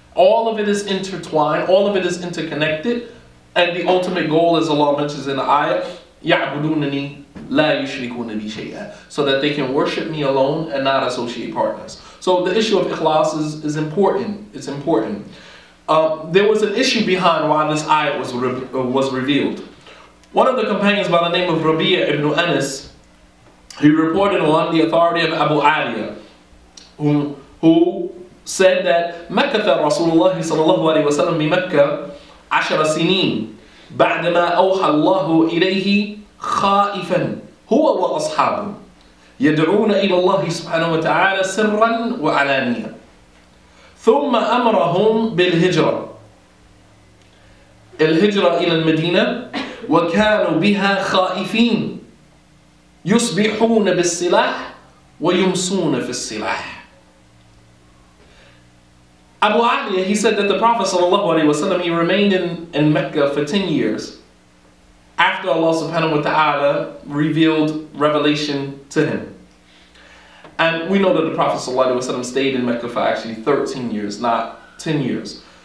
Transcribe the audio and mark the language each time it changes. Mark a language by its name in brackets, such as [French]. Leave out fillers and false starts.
[English] All of it is intertwined, all of it is interconnected, and the ultimate goal, as Allah mentions in the ayah, [Arabic] يَعْبُدُونَنِي لَا يُشْرِكُونَ بِي شَيْئًا, [English] so that they can worship me alone and not associate partners. So the issue of ikhlas is important. It's important. There was an issue behind why this ayah was revealed. One of the companions by the name of Rabi'a ibn Anas, he reported on the authority of Abu Aliya, who said that [Arabic] مَكَثَ رَسُولُ اللَّهِ صَلَى اللَّهُ عَلَيْهِ وَسَلَمْ بِمَكَّةِ عَشَرَ سِنِينَ بَعْدَمَا أَوْحَى اللَّهُ إِلَيْهِ خَائِفًا هُوَ وَأَصْحَابُ يَدْعُونَ إِلَى اللَّهِ سُبْحَانَهُ وَتَعَالَى سِرًّا وَعَلَانِيًا ثُمَّ أَمَرَهُمْ بِالْهِجْرَةِ الْهِجْرَةِ إِلَى الْمَدِينَةِ وَكَانُوا بِهَا خَائِفِينَ يُصْبِحُونَ بِالسِّلَاحِ وَيُمْسُونَ فِي السِّلَاحِ. [English] Abu Aliya, he said that the Prophet sallallahu alaihi wasallam, he remained in Mecca for 10 years after Allah subhanahu wa ta'ala revealed revelation to him. And we know that the Prophet sallallahu alaihi wasallam stayed in Mecca for actually 13 years, not 10 years.